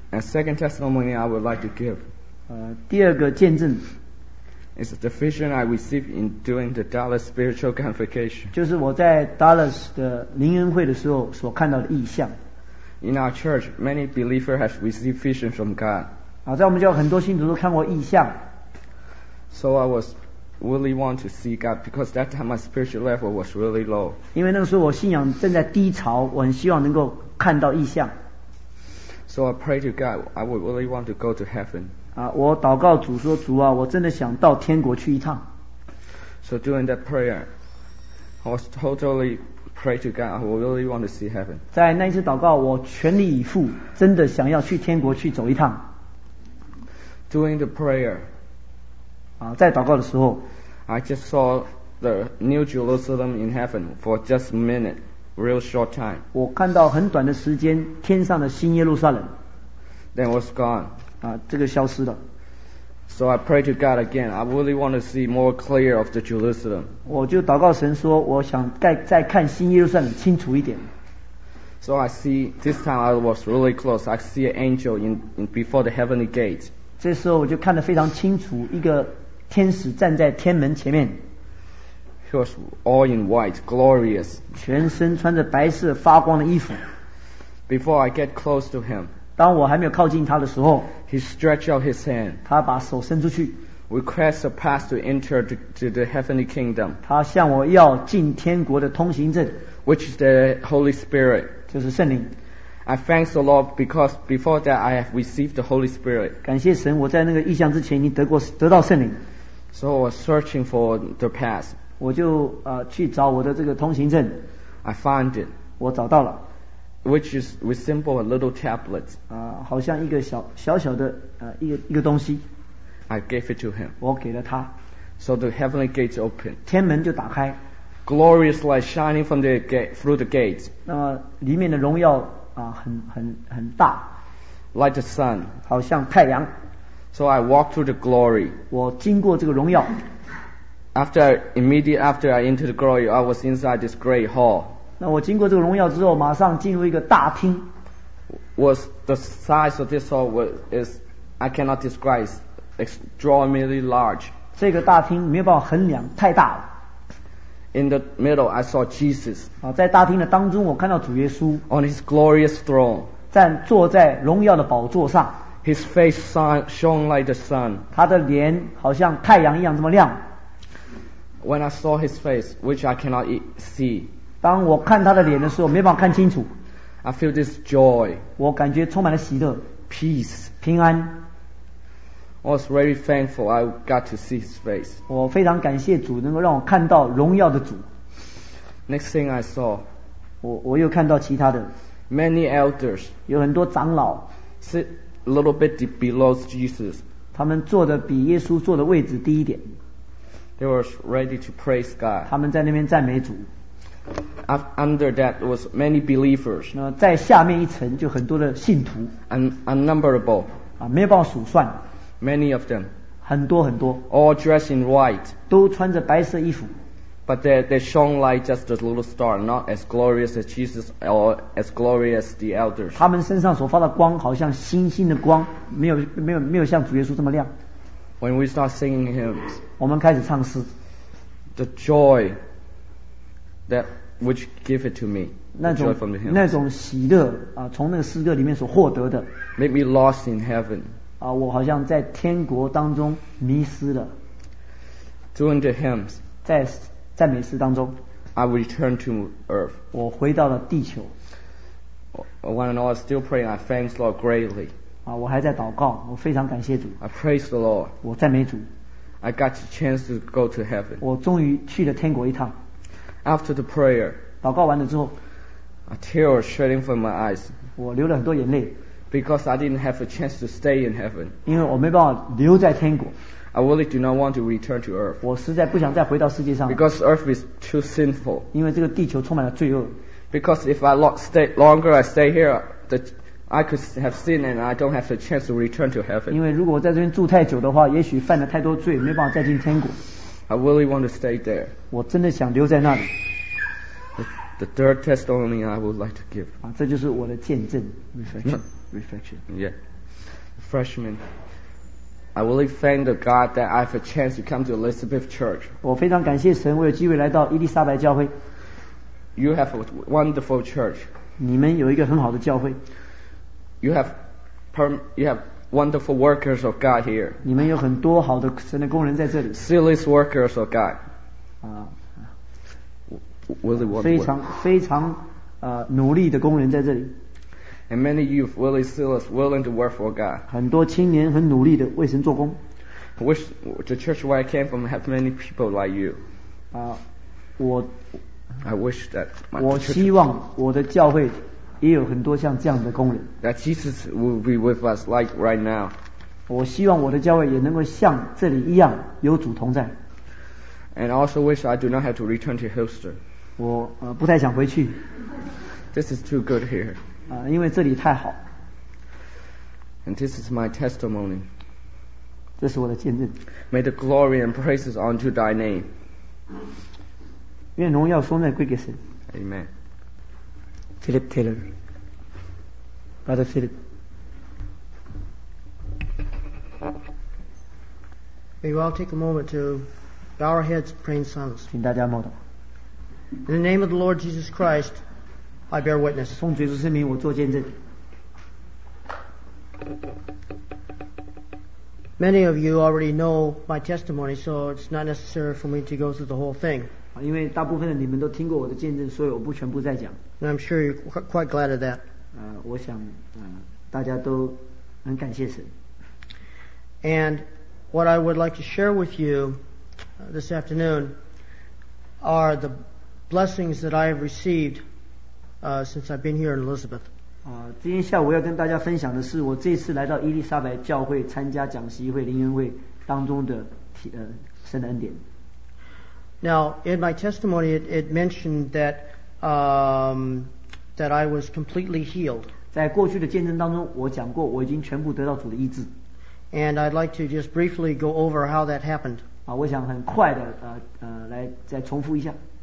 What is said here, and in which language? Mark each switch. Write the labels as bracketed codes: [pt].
[en] A second testimony I would like to give. [zh] 第二个见证 [en] is the vision I received in doing the Dallas spiritual convocation. [zh] 就是我在 Dallas 的灵恩会的时候所看到的异象。 [en] In our church, many believers have received visions from God. [zh] 在我们教很多信徒都看过异象。 [en] So I was really want to see God because that time my spiritual level was really low. [zh] 因为那个时候我信仰正在低潮，我很希望能够看到异象。 [en] So I pray to God, I would really want to go to heaven. [zh] 我祷告主说，主啊，我真的想到天国去一趟。 [en] So during that prayer, I was totally pray to God, I would really want to see heaven. [zh] 在那一次祷告，我全力以赴，真的想要去天国去走一趟。 [en] During the prayer, [zh] 在祷告的时候 [en] ，I just saw the New Jerusalem in heaven for just a minute. Real short time. [zh] 我看到很短的时间，天上的新耶路撒冷。 [en] Then was gone. [zh] 这个消失了。 [en] So I pray to God again. I really want to see more clear of the Jerusalem. [zh] 我就祷告神说，我想再看新耶路撒冷清楚一点。 [en] So I see this time I was really close. I see an angel in before the heavenly gate. [zh] 这时候我就看得非常清楚，一个天使站在天门前面。 [en] He was all in white, glorious. [zh] 全身穿着白色发光的衣服。 [en] Before I get close to him, [zh] 当我还没有靠近他的时候， [en] he stretched out his hand. [zh] 他把手伸出去， [en] request a pass to enter to the heavenly kingdom. [zh] 他向我要进天国的通行证， [en] which is the Holy Spirit. [zh] 就是圣灵。 [en] I thank the Lord because before that I have received the Holy Spirit. [zh] 感谢神，我在那个异象之前已经得到圣灵。 [en] So I was searching for the pass. [zh] 我就去找我的这个通行证。 [en] I found it. [zh] 我找到了。 [en] Which is resemble a little tablet. [zh] 好像一个小小的一个东西。 [en] I gave it to him. [zh] 我给了他。 [en] So the heavenly gates open. [zh] 天门就打开。 [en] Glorious light shining from the gate through the gates. [zh] 那么里面的荣耀很大。 [en] Like the sun. [zh] 好像太阳。 [en] So I walked through the glory. [zh] 我经过这个荣耀。 [en] Immediately after I entered the glory, I was inside this great hall. [zh] 那我经过这个荣耀之后，马上进入一个大厅。 [en] Was the size of this hall was is I cannot describe, extraordinarily large. [zh] 这个大厅没有办法衡量，太大了。 [en] In the middle, I saw Jesus. [zh] 在大厅的当中，我看到主耶稣。 [en] On his glorious throne. [zh] 坐在荣耀的宝座上。 [en] His face shone like the sun. [zh] 他的脸好像太阳一样这么亮。 [en] When I saw his face, which I cannot see. [zh] 当我看他的脸的时候，没办法看清楚。 [en] I feel this joy. [zh] 我感觉充满了喜乐。 [en] Peace. [zh] 平安。 [en] I was very thankful I got to see his face. [zh] 我非常感谢主能够让我看到荣耀的主。 [en] Next thing I saw. [zh] 我又看到其他的。 [en] Many elders. [zh] 有很多长老。 [en] Sit a little bit below Jesus. [zh] 他们坐的比耶稣坐的位置低一点。 [en] They were ready to praise God. [zh] 他们在那边赞美主。 [en] Under that was many believers. [zh] 那在下面一层就很多的信徒。 [en] Unnumberable. [zh] 没有办法数算。 [en] Many of them. [zh] 很多很多。 [en] All dressed in white. [zh] 都穿着白色衣服。 [en] But they shone like just a little star, not as glorious as Jesus or as glorious as the elders. [zh] 他们身上所发的光好像星星的光，没有像主耶稣这么亮。 [en] When we start singing hymns. [zh] 我们开始唱诗。 [en] The joy that which give it to me. [zh] 那种喜乐从那个诗歌里面所获得的。 [en] Make me lost in heaven. [zh] 我好像在天国当中迷失了。 [en] During the hymns. [zh] 在赞美诗当中。 [en] I return to earth. [zh] 我回到了地球。 [en] When I was still praying, I thank the Lord greatly. [zh] 我还在祷告，我非常感谢主。 [en] I praise the Lord. [zh] 我赞美主。 [en] I got the chance to go to heaven. [zh] 我终于去了天国一趟。 [en] After the prayer. [zh] 祷告完了之后。 [en] A tear was shedding from my eyes. [zh] 我流了很多眼泪。 [en] Because I didn't have a chance to stay in heaven. [zh] 因为我没办法留在天国。 [en] I really do not want to return to earth. [zh] 我实在不想再回到世界上。 [en] Because earth is too sinful. [zh] 因为这个地球充满了罪恶。 [en] Because if I stay here, I could have sinned and I don't have the chance to return to heaven. [zh] 因为如果我在这边住太久的话，也许犯了太多罪，没办法再进天国。 [en] I really want to stay there. [zh] 我真的想留在那里。 [en] The third testimony I would like to give. [zh] 这就是我的见证。 [en] Reflection. Yeah. Freshman. I really thank the God that I have a chance to come to Elizabeth Church. [zh] 我非常感谢神，我有机会来到伊丽莎白教会。 [en] You have a wonderful church. [zh] 你们有一个很好的教会。 [en] You have wonderful workers of God here. [zh] 你们有很多好的神的工人在这里。 [en] Zealous workers of God. [zh] 非常非常奴隶的工人在这里。 [en] And many youth really zealous, willing to work for God. [zh] 很多青年很努力的为神做工。 [en] Which the church where I came from have many people like you. I wish that my [zh] 我希望我的教会也有很多像这样的工人。 [en] That Jesus will be with us like right now. [zh] 我希望我的教会也能够像这里一样有主同在。 [en] And I also wish I do not have to return to Houston. [zh] 我不太想回去。 [en] This is too good here. [zh] 因为这里太好。 [en] And this is my testimony. [zh] 这是我的见证。 [en] May the glory and praises unto thy name. [zh] 愿荣耀颂赞归给神。 [en] Amen. Philip Taylor. Brother Philip. May you all take a moment to bow our heads praying silence. [zh] 请大家默祷。 [en] In the name of the Lord Jesus Christ,I bear witness. [zh] 奉主耶稣圣名，我做见证。 [en] Many of you already know my testimony, so it's not necessary for me to go through the whole thing. [zh] 因为大部分的你们都听过我的见证，所以我不全部再讲。 [en] And I'm sure you're quite glad of that. [zh] 我想，大家都很感谢神。 [en] And what I would like to share with you this afternoon are the blessings that I have received. Since I've been here in Elizabeth. [zh] 今天下午要跟大家分享的是我这次来到伊丽莎白教会参加讲习会灵恩会当中的神的恩典。 [en] Now, in my testimony, it mentioned that, that I was completely healed. [zh] 在过去的见证当中，我讲过我已经全部得到主的医治。 [en] And I'd like to just briefly go over how that happened. [zh] 我想很快的来再重复一下。